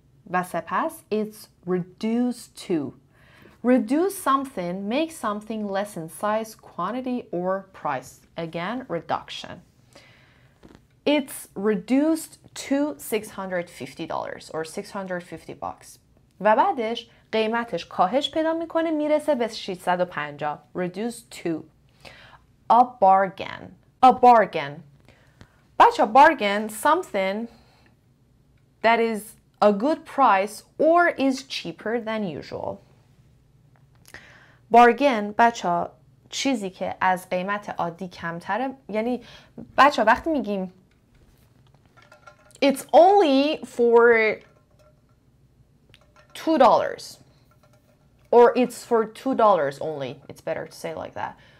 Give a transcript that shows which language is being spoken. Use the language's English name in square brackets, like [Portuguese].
[Persian] و سپس [English] it's reduced to. Reduce something, make something less in size, quantity or price. Again, reduction. It's reduced to $650 or 650 bucks. [Persian] و بعدش قیمتش کاهش پیدا میکنه، میرسه به 650. [English] Reduce to. A bargain. A bargain. بچه bargain something that is a good price or is cheaper than usual. [Persian] Bargain بچه چیزی که از قیمت عادی کمتره. یعنی بچه وقتی میگیم [English] It's only for $2. Or it's for $2 only. It's better to say like that.